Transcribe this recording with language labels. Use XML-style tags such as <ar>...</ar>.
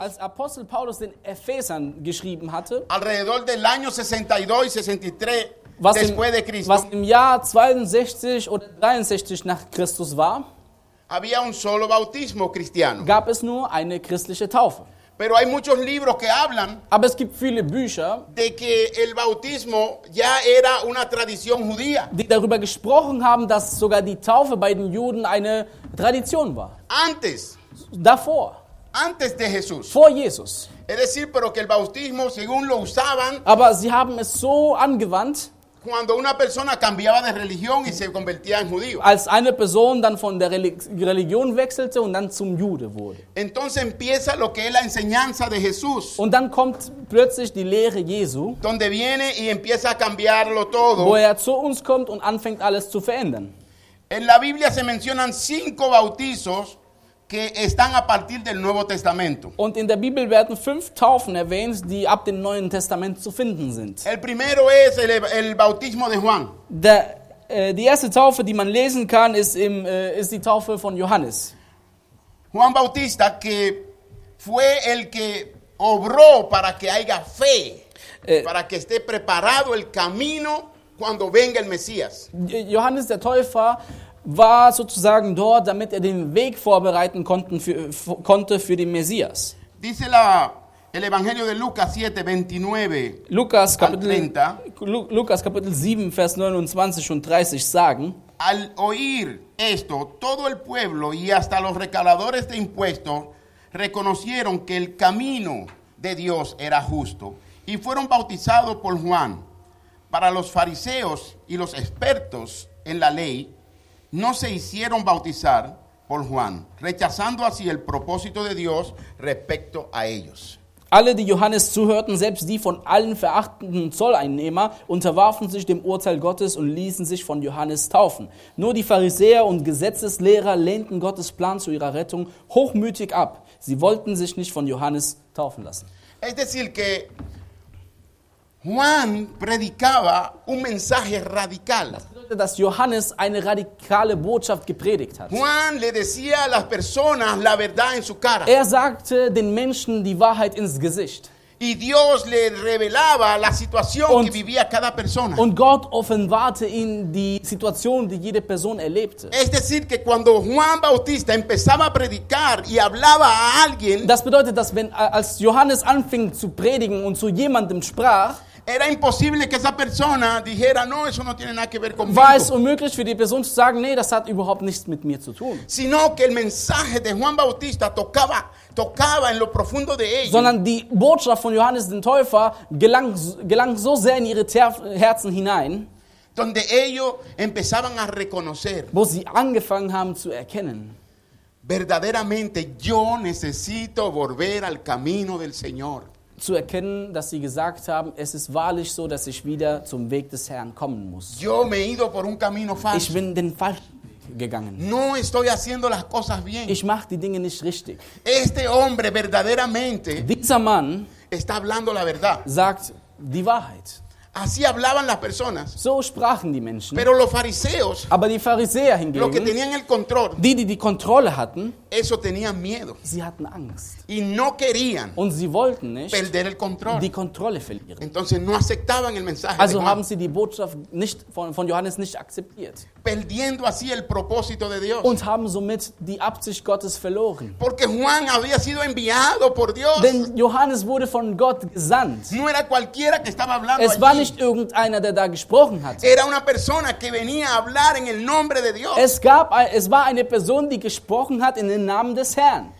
<de>als Apostel Paulus den Ephesern geschrieben hatte,</de> <es>alrededor del año 62, 63,</es> <de>was,</de> <es>después de Cristo,</es> <de>was im Jahr 62 oder 63 nach Christus war,</de> <es>había un solo bautismo cristiano.</es> <de>Gab es nur eine christliche Taufe.</de> <es>Pero hay muchos libros que hablan,</es> <de>aber es gibt viele Bücher,</de> <es>de que el bautismo ya era una tradición judía,</es> <de>die darüber gesprochen haben, dass sogar die Taufe bei den Juden eine Tradition war.</de> <es>Antes,</es> <de>davor,</de> <es>antes de Jesús,</es> <de>vor Jesus.</de> <es>Es decir, pero que el bautismo, según lo usaban,</es> <de>aber sie haben es so angewandt,</de> <es>cuando una persona cambiaba de religión y se convertía en judío.</es> <de>Als eine Person dann von der Religion wechselte und dann zum Jude wurde.</de> <es>Entonces empieza lo que es la enseñanza de Jesús.</es> <de>Und dann kommt plötzlich die Lehre Jesu.</de> <es>Donde viene y empieza a cambiarlo todo.</es> <de>Wo er zu uns kommt und anfängt alles zu verändern.</de> <es>En la Biblia se mencionan 5 bautizos que están a partir del Nuevo Testamento.</es> <de>Und in der Bibel werden 5 Taufen erwähnt, die ab dem Neuen Testament zu finden sind.</de> <es>El primero es el bautismo de Juan.</es> <de>Die erste Taufe, die man lesen kann, ist die Taufe von Johannes.</de> <es>Juan Bautista, que fue el que obró para que haya fe, para que esté preparado el camino cuando venga el Mesías.</es> <de>Johannes der Täufer war sozusagen dort, damit er den Weg vorbereiten konnte für den Messias.</de> <es>Dice la, el Evangelio de Lucas 7, 29,</es> <de>Lukas Kapitel, 30, Lukas Kapitel 7, Vers 29 und 30 sagen,</de> <es>al oír esto, todo el pueblo y hasta los recaudadores de impuestos reconocieron que el camino de Dios era justo y fueron bautizados por Juan. Para los fariseos y los expertos en la ley, no se hicieron bautizar por Juan, rechazando así el propósito de Dios respecto a ellos.</es> <de>Alle, die Johannes zuhörten, selbst die von allen verachteten Zolleinnehmer, unterwarfen sich dem Urteil Gottes und ließen sich von Johannes taufen. Nur die Pharisäer und Gesetzeslehrer lehnten Gottes Plan zu ihrer Rettung hochmütig ab. Sie wollten sich nicht von Johannes taufen lassen.</de> <es>Es decir que Juan predicaba un mensaje radical.</es> <de>Das bedeutet, dass Johannes eine radikale Botschaft gepredigt hat.</de> <es>Juan le decía a las personas la verdad en su cara.</es> <de>Er sagte den Menschen die Wahrheit ins Gesicht.</de> <es>Y Dios le revelaba la situación que vivía cada persona.</es> <de>Und Gott offenbarte ihm die Situation, die jede Person erlebte.</de> <es>Es decir, que cuando Juan Bautista empezaba a predicar y hablaba a alguien,</es> <de>das bedeutet, dass wenn, als Johannes anfing zu predigen und zu jemandem sprach,</de> <es>era imposible que esa persona dijera, no, eso no tiene nada que ver conmigo.</es> <de>War es unmöglich für die Person zu sagen, nee, das hat überhaupt nichts mit mir zu tun.</de> <es>Sino que el mensaje de Juan Bautista tocaba en lo profundo de ellos.</es> <de>Sondern die Botschaft von Johannes den Täufer gelang so sehr in ihre Herzen hinein,</de> <es>donde ellos empezaban a reconocer,</es> <de>wo sie angefangen haben zu erkennen,</de> <es>verdaderamente yo necesito volver al camino del Señor.</es> <de>Zu erkennen, dass sie gesagt haben, es ist wahrlich so, dass ich wieder zum Weg des Herrn kommen muss.</de> <es>Yo me he ido por un camino falso.</es> <de>Ich bin den falschen gegangen.</de> <es>No estoy haciendo las cosas bien.</es> <de>Ich mache die Dinge nicht richtig.</de> <es>Este hombre verdaderamente,</es> <de>dieser Mann,</de> <es>está hablando la verdad,</es> <de>sagt die Wahrheit.</de> <es>Así hablaban las personas.</es> <de>So sprachen die Menschen.</de> <es>Pero los fariseos,</es> <de>aber die Pharisäer hingegen,</de> <es>los que tenían el control,</es> <de>die Kontrolle hatten,</de> <es>eso tenían miedo.</es> <de>Sie hatten Angst.</de> <es>Y no querían,</es> <de>und sie wollten nicht,</de> <es>perder el control,</es> <de>die Kontrolle verlieren.</de> <es>Entonces no aceptaban el mensaje.</es> <de>Also haben sie die Botschaft nicht von Johannes nicht akzeptiert.</de> <es>Perdiendo así el propósito de Dios.</es> <de>Und haben somit die Absicht Gottes verloren.</de> <es>Porque Juan había sido enviado por Dios.</es> <de>Denn Johannes wurde von Gott gesandt.</de> <es>No era cualquiera que estaba hablando</es> <de>es</de> <es>allí.</es> <de>Nicht irgendeiner, der da gesprochen hat.</de> <es>Era una persona que venía a hablar en el nombre de Dios.</es> <de>Es war eine Person, die gesprochen hat in den Namen des Herrn.</de>